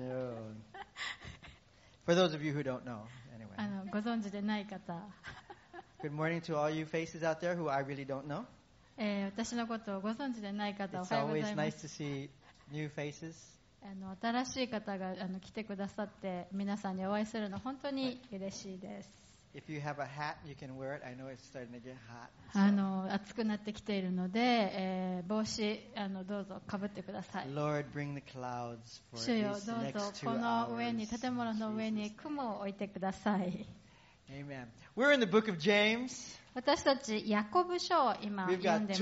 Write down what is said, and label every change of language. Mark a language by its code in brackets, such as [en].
[en] So, for those of you who don't know, anyway. [ja] ご存知でない方。 [en] Good morning to all you faces out there who I really don't know. [ja] 私のことをご存知でない方、おはようございます。 [en] It's always nice to see new faces. [ja] 新しい方が来てくださって、皆さんにお会いするの本当に嬉しいです。 [en] If you have a hat, you can wear it. I know it's starting to get hot. [ja] 暑くなってきているので、帽子どうぞかぶってください。 [en] Lord, bring the clouds for these next 2 hours. [ja] 主よ、どうぞこの上に建物の上に雲を置いてください。 [en] Amen. We're in the book of James. [ja] 私たちヤコブ書を今読んでます。